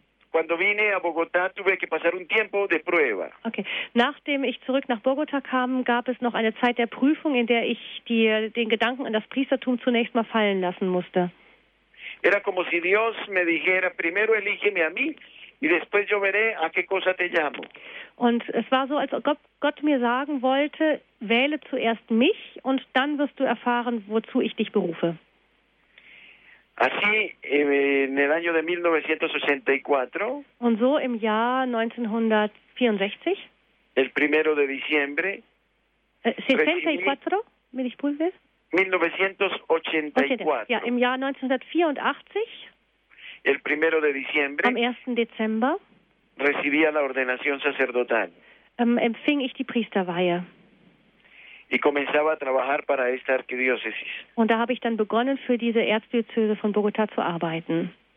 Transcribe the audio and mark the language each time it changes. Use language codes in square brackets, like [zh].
[es] Cuando vine a Bogotá tuve que pasar un tiempo de prueba. Okay. [de] Nachdem ich zurück nach Bogotá kam, gab es noch eine Zeit der Prüfung, in der ich den Gedanken an das Priestertum zunächst mal fallen lassen musste. [es] Era como si Dios me dijera, primero elígeme a mí y después yo veré a qué cosa te llamo. [de] Und es war so, als ob Gott mir sagen wollte, wähle zuerst mich und dann wirst du erfahren, wozu ich dich berufe. [es] Así, en el año de 1964, [de] und so im Jahr 1964, [es] el primero de diciembre, 64, recibí, mil disculpe, 1984, [de] okay, ja, im Jahr 1984, [es] el primero de diciembre, [de] am 1. Dezember, [es] recibí la ordenación sacerdotal, [de] empfing ich die Priesterweihe. [es] Y comenzaba a trabajar para esta arquidiócesis. [de] Und da habe ich dann begonnen, für diese Erzdiözese von Bogotá zu arbeiten.